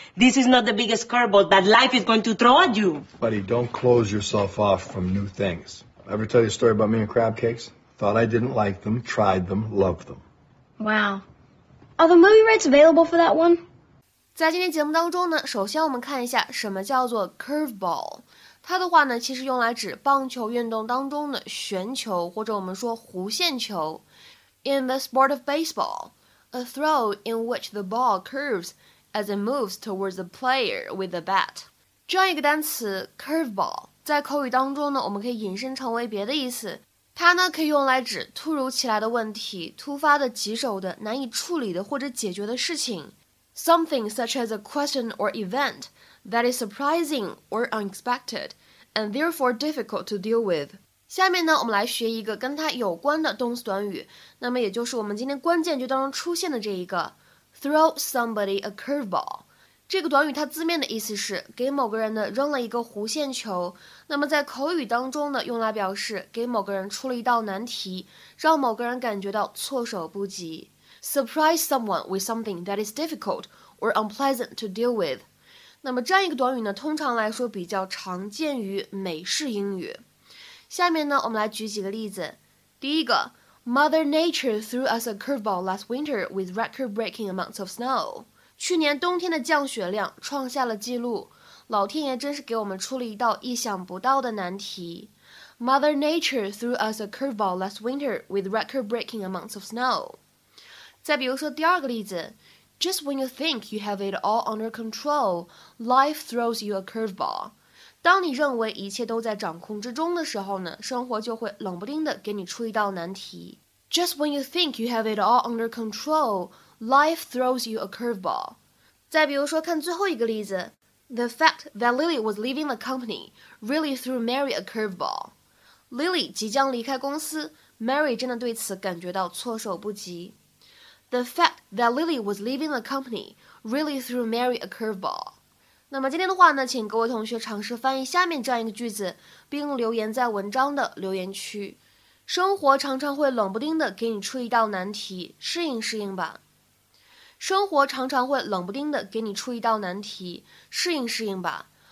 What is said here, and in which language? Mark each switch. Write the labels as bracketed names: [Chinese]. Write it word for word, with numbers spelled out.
[English] This is not the biggest curveball that life is going to throw at you. Buddy, don't close yourself off from new things. Ever tell you a story about me and crab cakes? Thought I didn't like them, tried them, loved them. Wow. Are the movie rights available for that one? [Chinese] 在今天节目当中呢，首先我们看一下什么叫做 curveball。它的话呢，其实用来指棒球运动当中的旋球，或者我们说弧线球。 [English] In the sport of baseball, a throw in which the ball curves as it moves towards the player with the bat. [Chinese] 这样一个单词 curveball 在口语当中呢，我们可以引申成为别的意思。它呢可以用来指突如其来的问题、突发的、棘手的、难以处理的或者解决的事情。 [English] Something such as a question or event. That is surprising or unexpected, and therefore difficult to deal with. [Chinese] 下面呢，我们来学一个跟它有关的动词短语，那么也就是我们今天关键句当中出现的这一个 [English] throw somebody a curveball。 [Chinese] 这个短语它字面的意思是给某个人呢扔了一个弧线球，那么在口语当中呢，用来表示给某个人出了一道难题，让某个人感觉到措手不及。 [English] Surprise someone with something that is difficult or unpleasant to deal with. [Chinese] 那么这样一个短语呢，通常来说比较常见于美式英语。下面呢，我们来举几个例子。第一个 [English] ，Mother Nature threw us a curveball last winter with record-breaking amounts of snow。 [Chinese] 去年冬天的降雪量创下了纪录，老天爷真是给我们出了一道意想不到的难题。 [English] Mother Nature threw us a curveball last winter with record-breaking amounts of snow。 [Chinese] 再比如说第二个例子。 [English] Just when you think you have it all under control, life throws you a curveball. [Chinese] 当你认为一切都在掌控之中的时候呢，生活就会冷不丁的给你出一道难题。 [English] Just when you think you have it all under control, life throws you a curveball. [Chinese] 再比如说，看最后一个例子 [English] ，The fact that Lily was leaving the company really threw Mary a curveball. [Chinese] Lily 即将离开公司 ，Mary 真的对此感觉到措手不及。 [English] The fact that Lily was leaving the company really threw Mary a curveball. [Chinese] 那么今天的话呢，请各位同学尝试翻译下面这样一个句子，并留言在文章的留言区。生活常常会冷不丁的给你出一道难题，适应适应吧。生活常常会冷不丁的给你出一道难题，适应适应吧。